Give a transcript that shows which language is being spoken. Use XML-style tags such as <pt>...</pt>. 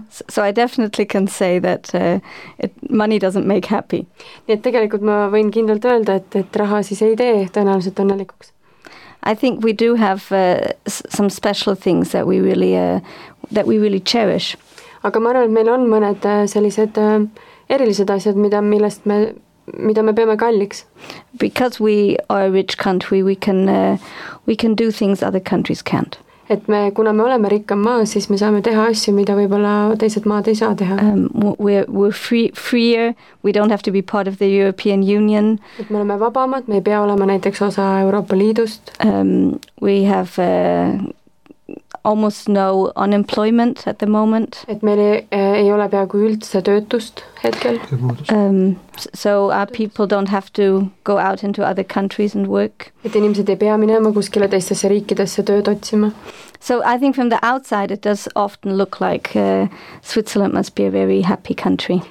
<en>So I definitely can say that money doesn't make happy.</en> <et>Nii et tegelikult ma võin kindlalt öelda, et raha siis ei tee tõenäoliselt õnnelikuks.</et> <en>I think we do have some special things that we really cherish.</en> <et>Aga ma arvan, et meil on mõned sellised erilised asjad, mida me peame kalliks.</et> <en>Because we are a rich country, we can do things other countries can't.</en> <et>Et me, kuna me oleme rikkam maa, siis me saame teha asju, mida võib-olla teised maad ei saa teha.</et> <en>We're freer, we don't have to be part of the European Union.</en> <et>Et me oleme vabamad, me ei pea olema näiteks osa Euroopa Liidust.</et> <en>We have almost no unemployment at the moment.</en> <et>Et meil ei ole peaaegu üldse töötust hetkel.</et> <en>So our people don't have to go out into other countries and work.</en> <et>Et inimesed ei pea minema kuskile teistesse riikidesse tööd otsima.</et> <en>So I think from the outside it does often look like Switzerland must be a very happy country.</en>